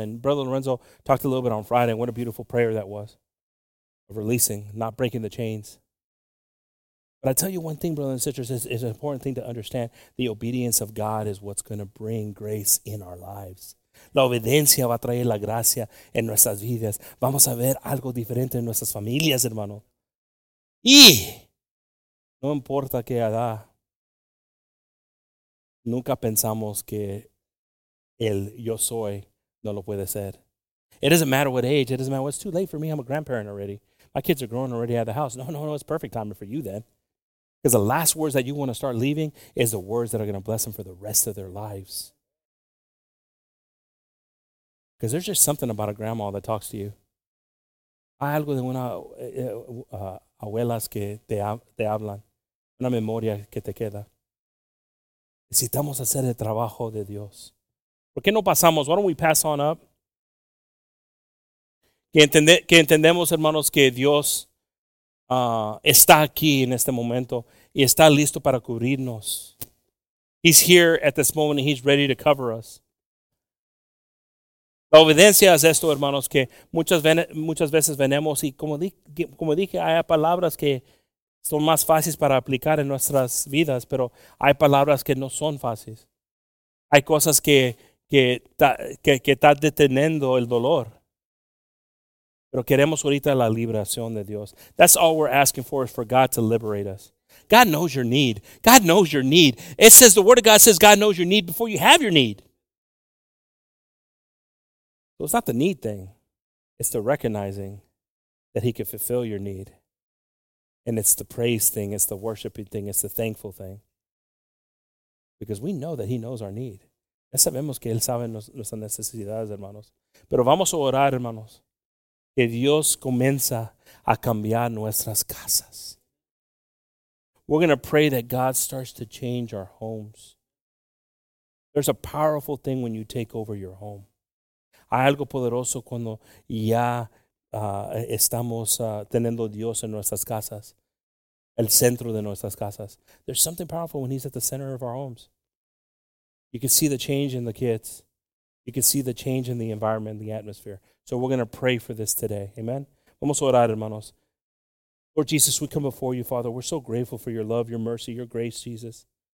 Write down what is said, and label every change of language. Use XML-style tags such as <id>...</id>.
<en>And Brother Lorenzo talked a little bit on Friday. And what a beautiful prayer that was. Of releasing, not breaking the chains. But I tell you one thing, brothers and sisters, it's an important thing to understand. The obedience of God is what's going to bring grace in our lives.</en> <es>La obediencia va a traer la gracia en nuestras vidas. Vamos a ver algo diferente en nuestras familias, hermano. Y no importa qué edad. Nunca pensamos que el yo soy no lo puede ser.</es> <en>It doesn't matter what age. It doesn't matter. Well, it's too late for me. I'm a grandparent already. My kids are growing already out of the house. No. It's perfect timing for you then. Because the last words that you want to start leaving is the words that are going to bless them for the rest of their lives. Because there's just something about a grandma that talks to you.</en> <es>Hay algo de una abuelas que te hablan. Una memoria que te queda. Necesitamos hacer el trabajo de Dios. ¿Por qué no pasamos?</es> <en>Why don't we pass on up?</en> <es>Que entendemos, hermanos, que Dios está aquí en este momento y está listo para cubrirnos.</es> <en>He's here at this moment and he's ready to cover us.</en> <es>La obediencia es esto, hermanos, que muchas veces venemos y como dije, hay palabras que son más fáciles para aplicar en nuestras vidas, pero hay palabras que no son fáciles. Hay cosas que está deteniendo el dolor. Pero queremos ahorita la liberación de Dios.</es> <en>That's all we're asking for, is for God to liberate us. God knows your need. God knows your need. It says, the word of God says, God knows your need before you have your need. So it's not the need thing. It's the recognizing that he can fulfill your need. And it's the praise thing. It's the worshiping thing. It's the thankful thing. Because we know that he knows our need.</en> <es>Ya sabemos que él sabe nuestras necesidades, hermanos. Pero vamos a orar, hermanos. Que Dios comienza a cambiar nuestras casas.</es> <en>We're going to pray that God starts to change our homes. There's a powerful thing when you take over your home.</en> <es>Hay algo poderoso cuando ya estamos teniendo Dios en nuestras casas. El centro de nuestras casas.</es> <en>There's something powerful when he's at the center of our homes. You can see the change in the kids. You can see the change in the environment, the atmosphere. So we're going to pray for this today. Amen.</en> <es>Vamos a orar, hermanos.</es> <en>Lord Jesus, we come before you, Father. We're so grateful for your love, your mercy, your grace, Jesus.</en>